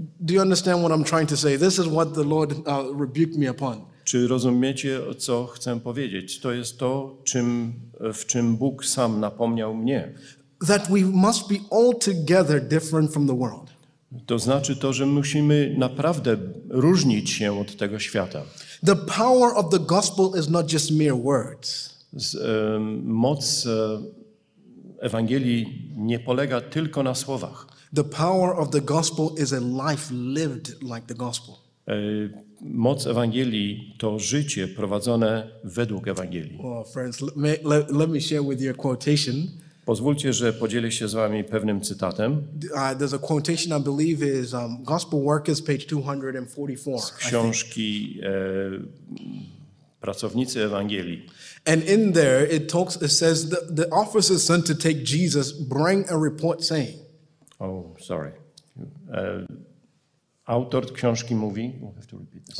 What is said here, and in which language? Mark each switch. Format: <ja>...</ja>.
<en>Do you understand what I'm trying to say? This is what the Lord rebuked me upon.</en> <pl>Czy rozumiecie, co chcę powiedzieć? To jest to, w czym Bóg sam napomniał mnie.</pl> <en>That we must be altogether different from the world.</en> <pl>To znaczy to, że musimy naprawdę różnić się od tego świata.</pl> <en>The power of the gospel is not just mere words.</en> <pl>Moc Ewangelii nie polega tylko na słowach.</pl> <en>The power of the gospel is a life lived like the gospel.</en> <pl>Moc Ewangelii to życie prowadzone według Ewangelii.</pl> <en>Well, friends, let me share with you a quotation.</en> <pl>Pozwólcie, że podzielę się z wami pewnym cytatem.</pl> <en>There's a quotation I believe is Gospel Workers, page 244.</en> <pl>Z książki Pracownicy Ewangelii.</pl> <en>And in there it talks, it says the officer sent to take Jesus bring a report saying. Oh, sorry.</en> <pl>Autor książki mówi.</pl> <en>We'll have to repeat this.</en>